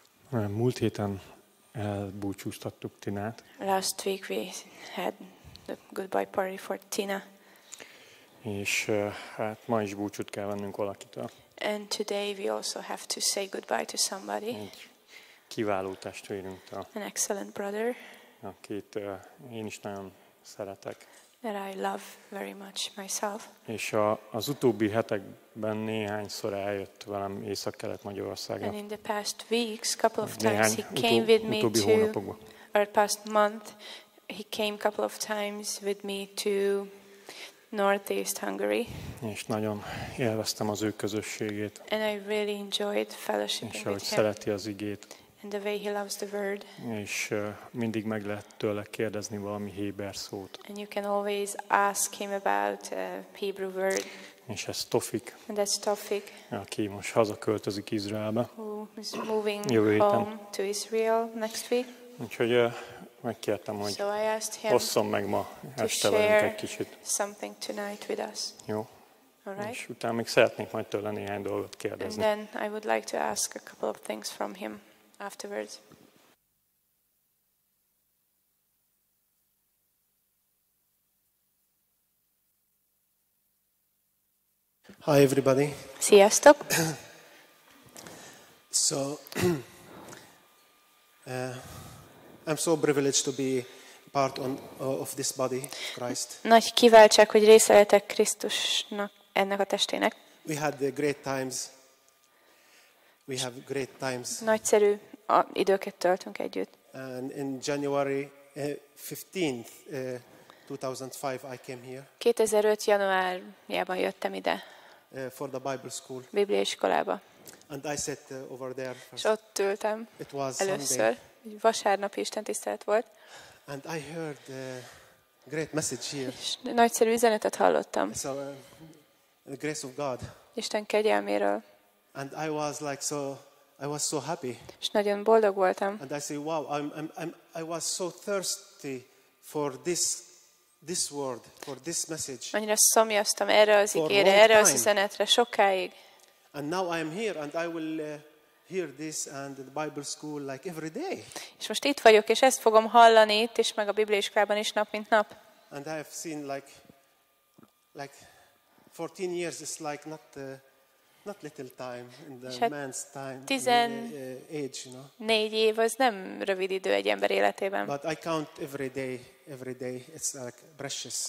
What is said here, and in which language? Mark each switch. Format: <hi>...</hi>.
<hu>Múlt héten elbúcsúztattuk Tinát.</hu> <en>Last week we had the goodbye party for Tina.</en> <hu>És hát ma is búcsút kell vennünk valakitől.</hu> <en>And today we also have to say goodbye to somebody.</en> <hu>Egy kiváló testvérünktől.</hu> <en>An excellent brother.</en> <hu>Akit én is nagyon szeretek.</hu> <en>That I love very much myself.</en> <hu>És az utóbbi hetekben néhányszor eljött velem Észak-Kelet-Magyarországra.</hu> <en>And in the past weeks, couple of times he came with me to, or past month, he came couple of times with me to Northeast Hungary.</en> <hu>És nagyon élveztem az ő közösségét.</hu> <en>And I really enjoyed fellowshiping with him.</en> <hu>És ahogy szereti az igét.</hu> <en>And the way he loves the word.</en> <hu>És mindig meg lehet tőle kérdezni valami héber szót.</hu> <en>And you can always ask him about a Hebrew word.</en> <hu>És ez Tofik.</hu> <en>And that's Tofik.</en> <hu>Aki most hazaköltözik Izraelbe.</hu> <en>Who is moving home to Israel next week.</en> <hu>Úgyhogy megkértem, hogy osszon meg ma este velünk egy kicsit.</hu> <en>Something tonight with us.</en> <hu>Jó.</hu> <en>All right.</en> <hu>És utána még szeretnék majd tőle néhány dolgot kérdezni.</hu> <en>And then I would like to ask a couple of things from him. Afterwards. Hi everybody.</en> <hu>Sziasztok.</hu> <en>So I'm so privileged to be part of this body, Christ.</en> <hu>Nagy kiváltság, hogy része lehetek Krisztusnak, ennek a testének.</hu> <en>We had the great times. We have great times.</en> <hu>Nagyszerű időket töltünk együtt.</hu> <en>And in January 15th 2005 I came here.</en> <hu>2005 januárjában jöttem ide.</hu> <en>For the Bible school.</en> <hu>Bibliai iskolába.</hu> <en>And I sat over there.</en> <hu>És ott ültem.</hu> <en>It was</en> <hu>először.</hu> <en>Sunday.</en> <hu>Vasárnap istentisztelet volt.</hu> <en>And I heard a great message here.</en> <hu>És nagyszerű üzenetet hallottam.</hu> <en>So, the grace of God.</en> <hu>Isten kegyelméről.</hu> <en>And I was like so I was so happy.</en> <hu>És nagyon boldog voltam.</hu> <en>And I say, wow, I was so thirsty for this word, for this message.</en> <hu>Annyira szomjaztam erre az igére, erre az üzenetre sokáig.</hu> <en>And now I am here and I will hear this and the Bible school like every day.</en> <hu>És most itt vagyok és ezt fogom hallani itt és meg a bibliaiskolában is nap mint nap.</hu> <en>And I have seen like 14 years is like not little time in the hát man's time age, you know.</en> <hu>4 év az nem rövid idő egy ember életében.</hu> <en>But I count every day it's like precious.</en>